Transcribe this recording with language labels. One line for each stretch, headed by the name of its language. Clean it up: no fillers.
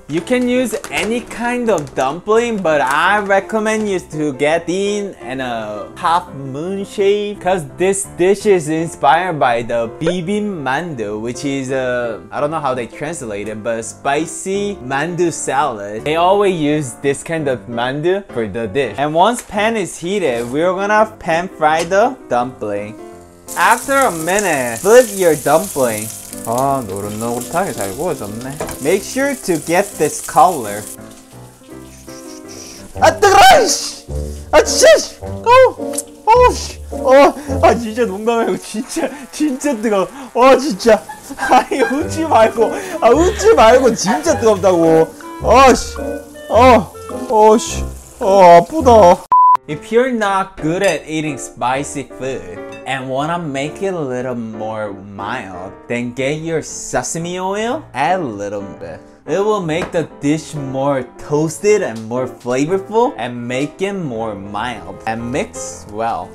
English: You can use any kind of dumpling, but I recommend you to get in and a half moon shape, cause this dish is inspired by the bibimmyeon, which is I don't know how they translate it, but spicy mandu salad. They always use this kind of mandu for the dish. And once pan is heated, we're gonna pan fry the dumpling. After a minute, flip your dumpling.
Korean: 아, 노릇노릇하게 잘 구워졌네.
English: Make sure to get this color.
Korean: 아, 뜨거워! 아, 진짜! 어, 어, 아, 진짜 농담 말고 진짜, 진짜 뜨거워. 아, 진짜. 아니, 웃지 말고. 아, 웃지 말고 진짜 뜨겁다고. 아, 씨. 어, 어, 씨. 어, 아프다.
English: If you're not good at eating spicy food and wanna make it a little more mild, then get your sesame oil, add a little bit. It will make the dish more toasted and more flavorful and make it more mild and mix well.